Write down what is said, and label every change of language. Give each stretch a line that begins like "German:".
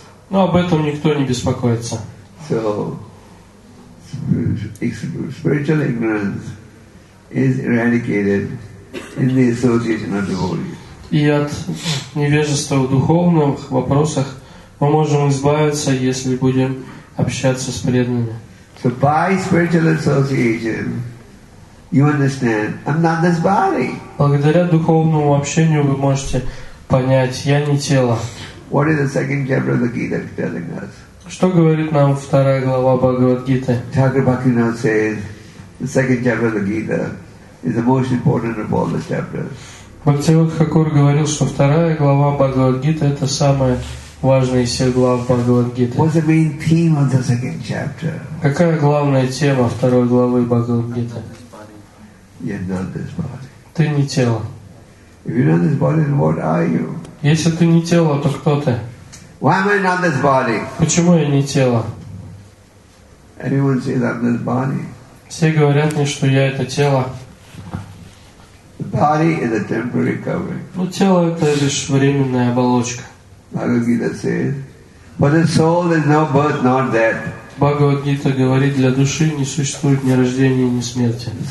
Russian: Но об этом никто не беспокоится.
English: So, spiritual ignorance is eradicated in the association of devotees.
Russian: И от невежества в духовных вопросах мы можем избавиться, если будем общаться с преданными.
English: So, by spiritual association, you understand, I'm not this body.
Russian: Благодаря духовному общению вы можете понять, я не тело.
English: What is the second chapter of the Gita telling us?
Russian: Что говорит нам вторая глава Бхагавад-гиты?
English: Thakur Bhaktivinoda says, the second chapter of the Gita is the most important of all the chapters.
Russian: Бхактивинода Хакур говорил, что вторая глава Бхагавад-гиты это самая важная из всех глав Бхагавад-гиты.
English: What's the main theme of the second chapter?
Russian: Какая главная тема второй главы Бхагавад-гиты?
English: You're not this body.
Russian: Ты не тело.
English: If you're not this body, then what are you?
Russian: Если ты не тело, то кто ты?
English: Why am I not this body?
Russian: Почему я не тело?
English: Everyone says I'm this body.
Russian: Все говорят мне, что я это тело.
English: The body is a temporary covering.
Russian: Ну, тело это лишь временная оболочка.
English: Bhagavad-gita says, but the soul is no birth, not death.
Russian: Бхагавад-гита говорит, для души не существует ни рождения, ни смерти.